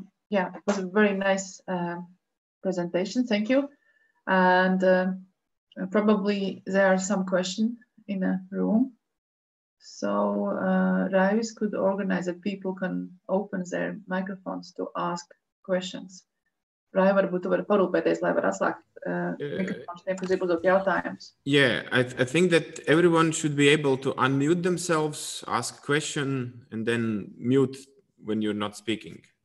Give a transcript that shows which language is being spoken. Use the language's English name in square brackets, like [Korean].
[English] It was a very nice presentation. Thank you. And probably there are some questions in the room. So Raivis could organize that people can open their microphones to ask questions. [Latvian] Raivis, varbūt tu vari parūpēties, lai var atslēgt mikrofons, kas būs uz jautājums. [English] Yeah, I think that everyone should be able to unmute themselves, ask a question, and then mute when you're not speaking.